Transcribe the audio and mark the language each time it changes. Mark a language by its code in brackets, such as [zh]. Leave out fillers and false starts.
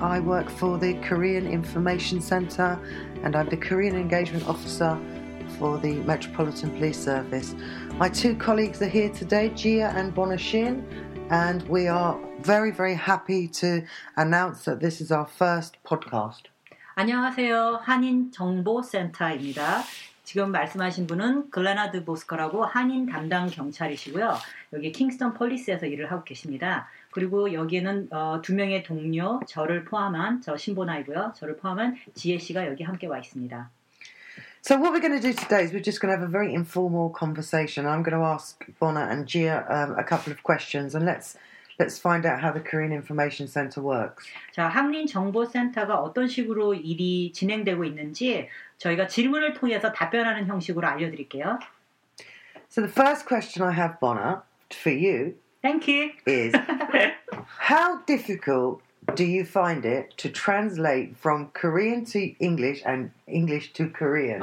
[en] I work for the Korean Information Centre and I'm the Korean Engagement Officer for the Metropolitan Police Service. My two colleagues are here today, Jia and Bona Shin, and we are very, very happy to announce that this is our first podcast. [ko] 안녕하세요. 한인정보센터입니다. 지금 말씀하신 분은 글레나 드 보스커라고 한인 담당 경찰이시고요. 여기 킹스턴 폴리스에서 일을 하고 계십니다. 그리고 여기에는 두 명의 동료, 저를 포함한 저 신보나이고요. 저를 포함한 지혜 씨가 여기 함께 와 있습니다. [en] So what we're going to do today is we're just going to have a very informal conversation. I'm going to ask Bona and Jia a couple of questions and let's find out how the Korean Information Center works. [ko] 자, 한인 정보 센터가 어떤 식으로 일이 진행되고 있는지 저희가 질문을 통해서 답변하는 형식으로 알려드릴게요. [en] So the first question I have, Bona, for you. Thank you. Is how difficult do you find it to translate from Korean to English and English to Korean?